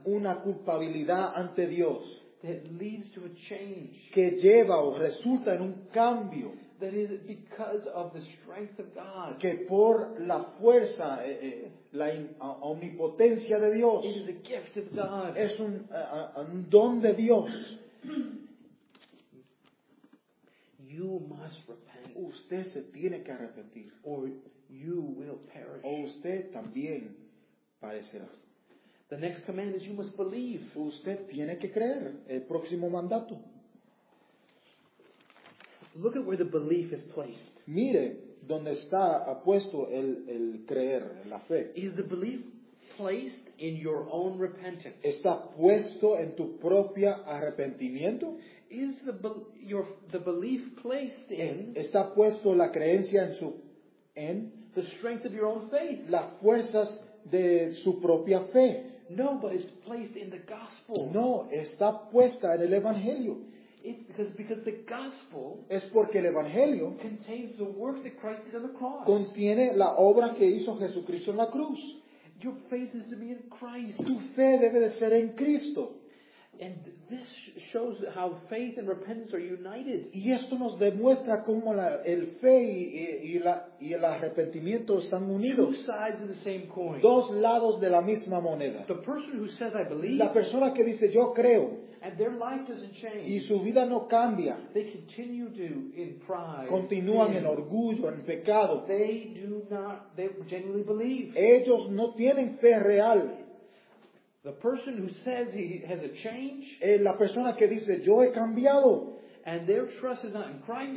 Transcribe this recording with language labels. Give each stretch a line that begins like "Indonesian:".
Spanish: una culpabilidad ante Dios,
English: that leads to a change,
Spanish: que lleva o resulta en un cambio,
English: that is because of the strength of God.
Spanish: Que por la fuerza, la omnipotencia de Dios.
English: It is a gift of God.
Spanish: Es un, un don de Dios.
English: You must repent.
Spanish: Usted se tiene que arrepentir.
English: Or you will perish.
Spanish: O usted también padecerá.
English: The next command is you must believe.
Spanish: Usted tiene que creer. El próximo mandato.
English: Look at where the belief is placed.
Spanish: Mire donde está puesto el creer, la fe.
English: Is the belief placed in your own repentance?
Spanish: ¿Está puesto en tu propia arrepentimiento?
English: Is the the belief placed in?
Spanish: ¿Está puesto la creencia en su en?
English: The strength of your own faith.
Spanish: Las fuerzas de su propia fe.
English: No, but it's placed in the gospel.
Spanish: No, está puesta en el evangelio.
English: It's because the gospel
Spanish: es porque el evangelio
English: contains the work that Christ did on the cross.
Spanish: Contiene la obra que hizo Jesucristo en la cruz.
English: Your faith is to be in Christ.
Spanish: Tu fe debe de ser en Cristo.
English: And this shows how faith and repentance are united.
Spanish: Y esto nos demuestra cómo el fe y el arrepentimiento están unidos.
English: Two sides of the same coin.
Spanish: Dos lados de la misma moneda.
English: The person who says I believe.
Spanish: La persona que dice yo creo.
English: And their life doesn't change.
Spanish: Y su vida no cambia.
English: They continue to in pride.
Spanish: Continúan en orgullo, en pecado.
English: They do not. They genuinely believe.
Spanish: Ellos no tienen fe real.
English: The person who says he has a change.
Spanish: La persona que dice yo he cambiado.
English: And their trust is not in Christ.